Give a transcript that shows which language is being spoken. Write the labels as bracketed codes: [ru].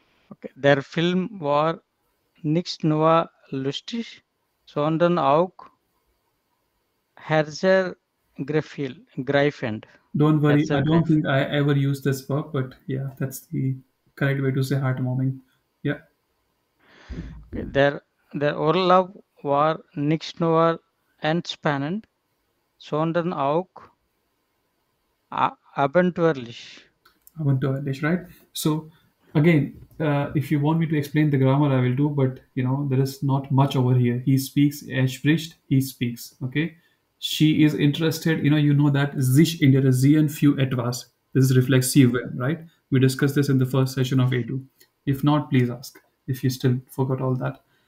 [de] Okay. Der Film war nicht nur lustig, sondern auch herzergreifend. [en] Don't worry, I don't think I ever use this verb, but yeah, that's the correct way to say heartwarming. Yeah. Okay. [de] Der Urlaub war nicht nur entspannend, sondern auch abenteuerlich. Abenteuerlich, right? [en] So again, if you want me to explain the grammar, I will do, but you know, there is not much over here. He speaks, [de] er spricht, [en] he speaks. Okay. She is interested, you know that [de] sich interessieren für etwas. [en] This is reflexive, right? We discussed this in the first session of A2. If not, please ask if you still forgot all that.